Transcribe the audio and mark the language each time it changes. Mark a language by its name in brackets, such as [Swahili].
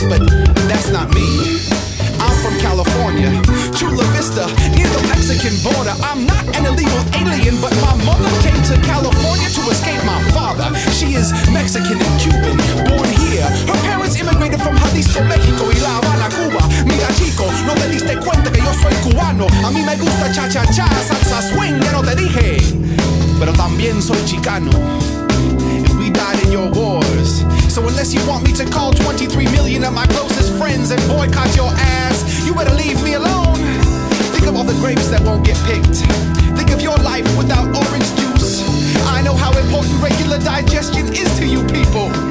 [English] But that's not me. I'm from California, Chula Vista, near the Mexican border. I'm not an illegal alien, but my mother came to California to escape my father. She is Mexican and Cuban, born here. Her parents immigrated from Jalisco, Mexico, y La Habana, Cuba. [Spanish] Mira chico, no te diste cuenta que yo soy cubano. A mí me gusta cha-cha-cha, salsa swing, ya no te dije. Pero también soy chicano, [English] and we died in your wars. So unless you want me to call 23 million of my closest friends and boycott your ass, you better leave me alone. Think of all the grapes that won't get picked. Think of your life without orange juice. I know how important regular digestion is to you people.